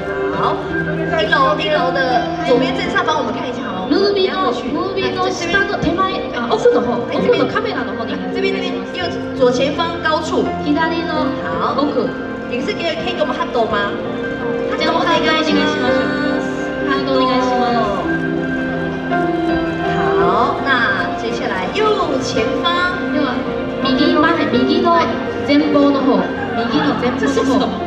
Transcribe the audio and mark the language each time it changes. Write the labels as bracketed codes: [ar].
[zh] 楼，好，一楼的左边正上方，我们看一下好吗？ [ja] ムービーの、ムービーの下の手前、奥の方、奥のカメラの方に、 [zh] 这边那边右左前方高处，左边的，好， [ja] 奥。 [zh] 你是可以给我们哈斗吗？哈斗，哈斗，哈斗，哈斗，哈斗，哈斗。好，那接下来右前方，右啊，右方，右的前方的后，右的前方的后。